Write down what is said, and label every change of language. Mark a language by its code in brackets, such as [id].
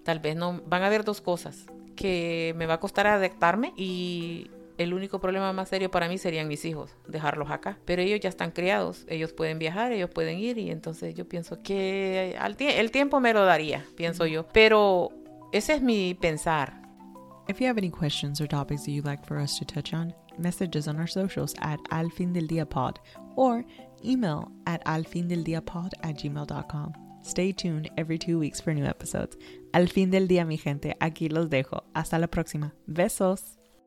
[es] Tal vez no, van a haber dos cosas: que me va a costar adaptarme, y el único problema más serio para mí serían mis hijos, dejarlos acá. Pero ellos ya están criados, ellos pueden viajar, ellos pueden ir, y entonces yo pienso que el tiempo me lo daría, pienso yo. Pero ese es mi pensar. [en] If you have any questions or topics that you'd like for us to touch on, messages on our socials at alfindeldiapod or email at alfindeldiapod@gmail.com. Stay tuned every 2 weeks for new episodes. [es] Al fin del día, mi gente, aquí los dejo. Hasta la próxima. Besos.